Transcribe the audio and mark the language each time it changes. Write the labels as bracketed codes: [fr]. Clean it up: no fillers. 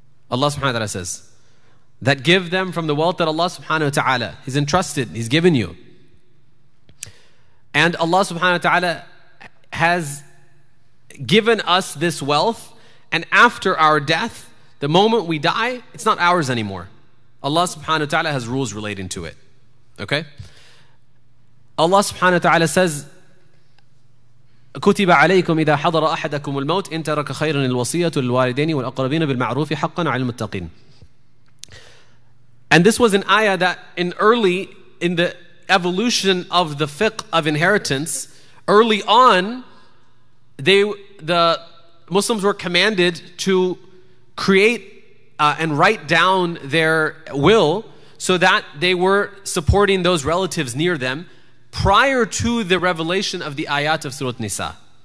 [en] Allah subhanahu wa ta'ala says, that give them from the wealth that Allah subhanahu wa ta'ala, He's entrusted, He's given you. And Allah subhanahu wa ta'ala has given us this wealth, and after our death, the moment we die, it's not ours anymore. Allah subhanahu wa ta'ala has rules relating to it. Okay? Allah subhanahu wa ta'ala says, [ar] كتب عليكم إذا حضر أحدكم الموت إن ترك خيرا الوصية للوالدين والأقربين بالمعروف حقا على المتقين. [en] And this was an ayah that in the evolution of the fiqh of inheritance, early on, the Muslims were commanded to create and write down their will so that they were supporting those relatives near them, prior to the revelation of the ayat of Surah Nisa.